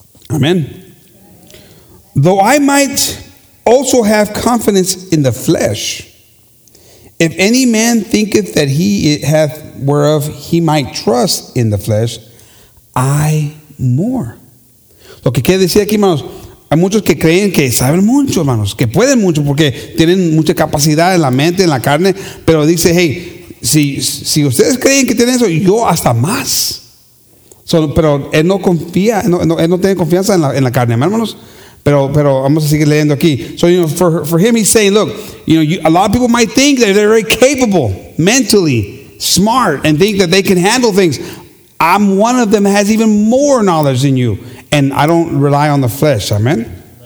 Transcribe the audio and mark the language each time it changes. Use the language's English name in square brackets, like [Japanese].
[English] Amen. Though I might also have confidence in the flesh, if any man thinketh that he hath whereof he might trust in the flesh, I more. [Spanish] Lo que quiere decir aquí, hermanos, hay muchos que creen que saben mucho, hermanos, que pueden mucho porque tienen mucha capacidad en la mente, en la carne, pero dice, hey, si ustedes creen que tienen eso, yo hasta más. Pero él no confía, él no tiene confianza en la carne, hermanos. Pero vamos a seguir leyendo aquí. [English] So, you know, for him, he's saying, look, you know, a lot of people might think that they're very capable, mentally, smart, and think that they can handle things. I'm one of them that has even more knowledge than you, and I don't rely on the flesh. Amen?